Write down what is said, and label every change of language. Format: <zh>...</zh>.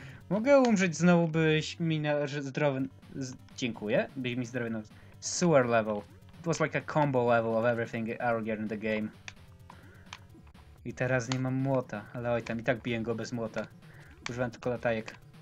<pl>Mogę umrzeć znowu, byś mi na zdrowy... Dziękuję, byś mi zdrowy na...</pl> <en>Sewer level. It was like a combo level of everything earlier in the game.</en> <pl>I teraz nie mam młota, ale oj tam, i tak biję go bez młota. Używam tylko latajek.</pl>